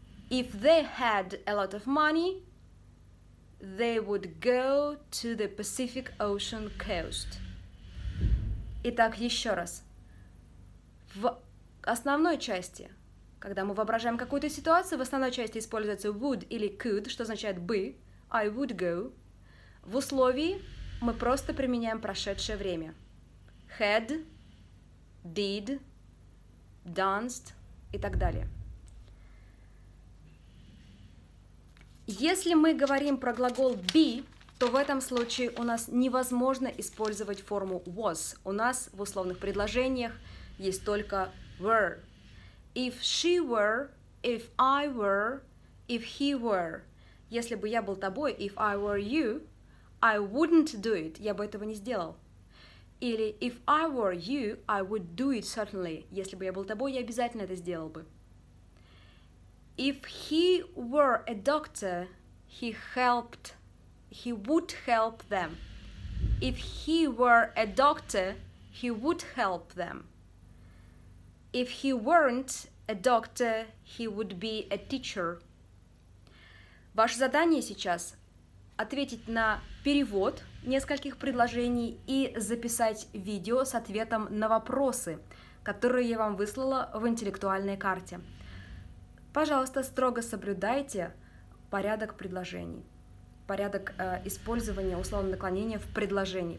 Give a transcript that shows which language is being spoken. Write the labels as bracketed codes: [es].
[en] If they had a lot of money, they would go to the Pacific Ocean coast. [ru] Итак, еще раз. В основной части, когда мы воображаем какую-то ситуацию, в основной части используется would или could, что означает бы, [en] I would go. [ru] В условии мы просто применяем прошедшее время. Had, did, danced и так далее. Если мы говорим про глагол be, то в этом случае у нас невозможно использовать форму was. У нас в условных предложениях есть только were. [en] If she were, if I were, if he were. [ru] Если бы я был тобой, [en] if I were you, I wouldn't do it. [ru] Я бы этого не сделал. Или [en] if I were you, I would do it certainly. [ru] Если бы я был тобой, я обязательно это сделал бы. [en] If he were a doctor, he would help them. If he were a doctor, he would help them. If he weren't a doctor, he would be a teacher. [ru] Ваше задание сейчас — ответить на перевод нескольких предложений и записать видео с ответом на вопросы, которые я вам выслала в интеллектуальной карте. Пожалуйста, строго соблюдайте порядок предложений, порядок использования условного наклонения в предложении.